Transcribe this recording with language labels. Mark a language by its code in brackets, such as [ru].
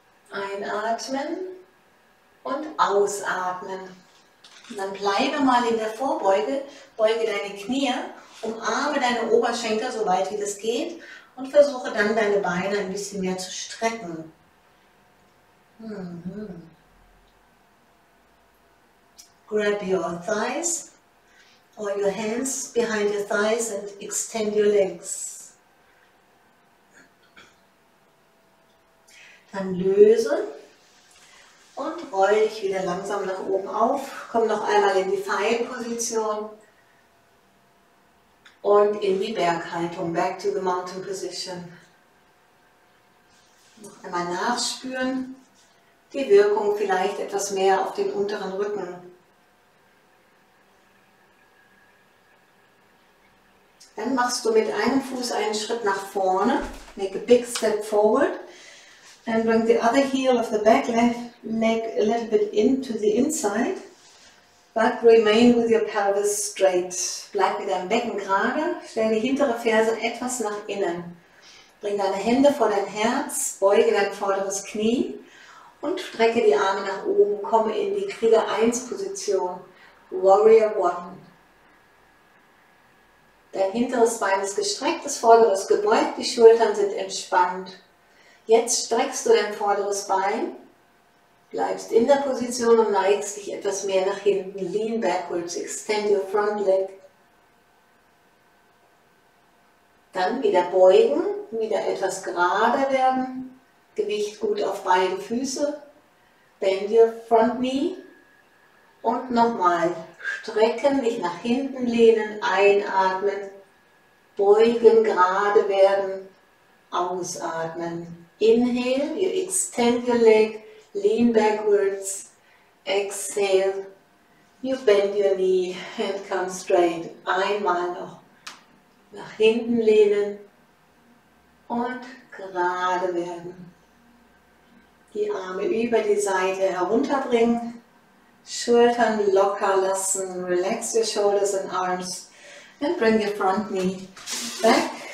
[de] Einatmen und ausatmen. Und dann bleibe mal in der Vorbeuge, beuge deine Knie, umarme deine Oberschenkel so weit wie das geht. Und versuche dann, deine Beine ein bisschen mehr zu strecken. [en] Grab your thighs or your hands behind your thighs and extend your legs. [de] Dann löse und roll dich wieder langsam nach oben auf. Komm noch einmal in die Pfeilposition. Und in die Berghaltung, [en] back to the mountain position. [de] Noch einmal nachspüren, die Wirkung vielleicht etwas mehr auf den unteren Rücken. Dann machst du mit einem Fuß einen Schritt nach vorne, [en] make a big step forward. And bring the other heel of the back leg a little bit into the inside. But remain with your pelvis straight. [de] Bleib mit deinem Becken gerade. Stell die hintere Ferse etwas nach innen. Bring deine Hände vor dein Herz. Beuge dein vorderes Knie. Und strecke die Arme nach oben. Komme in die Krieger 1 Position. Warrior 1. Dein hinteres Bein ist gestreckt, das vordere ist gebeugt. Die Schultern sind entspannt. Jetzt streckst du dein vorderes Bein. Bleibst in der Position und neigst dich etwas mehr nach hinten. [en] Lean backwards, extend your front leg. [de] Dann wieder beugen, wieder etwas gerader werden. Gewicht gut auf beiden Füße. [en] Bend your front knee. [de] Und nochmal, strecken, dich nach hinten lehnen, einatmen, beugen, gerade werden, ausatmen. [en] Inhale, you extend your leg, lean backwards, exhale, you bend your knee and come straight. [de] Einmal noch nach hinten lehnen und gerade werden. Die Arme über die Seite herunterbringen, Schultern locker lassen, [en] relax your shoulders and arms and bring your front knee back.